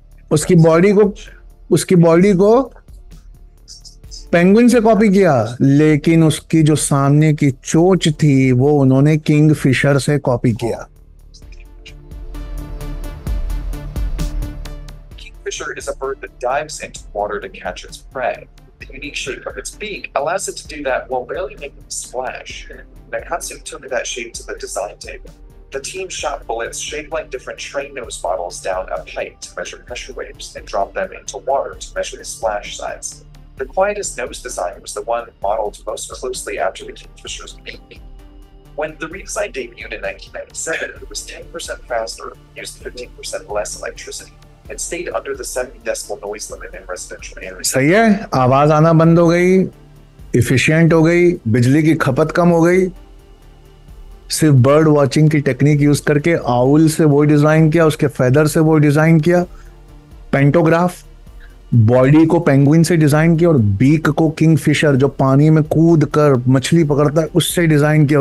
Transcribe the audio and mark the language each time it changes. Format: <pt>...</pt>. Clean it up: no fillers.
<hi>उसकी बॉडी को पेंगुइन से कॉपी किया, लेकिन उसकी जो सामने की चोच थी वो उन्होंने किंग फिशर से कॉपी किया।</hi> <en>Kingfisher is a bird that dives into water to catch its prey. The unique shape of its beak allows it to do that while barely making a splash. Nakatsu took that shape to the design table. The team shot bullets shaped like different train nose bottles down a pipe to measure pressure waves and dropped them into water to measure the splash size. The quietest nose design was the one modeled most closely after the Kingfisher's beak. When the redesign debuted in 1997, it was 10% faster, used 15% less electricity.</en> <hi>सही है, आवाज आना बंद हो गई, efficient हो गई, बिजली की खपत कम हो गई, सिर्फ बर्ड वॉचिंग की टेक्निक यूज करके। आउल से वो डिजाइन किया, उसके फेदर से वो डिजाइन किया, पेंटोग्राफ, बॉडी को पेंगुइन से डिजाइन किया और बीक को किंग फिशर जो पानी में कूद कर मछली पकड़ता है उससे डिजाइन किया।</hi>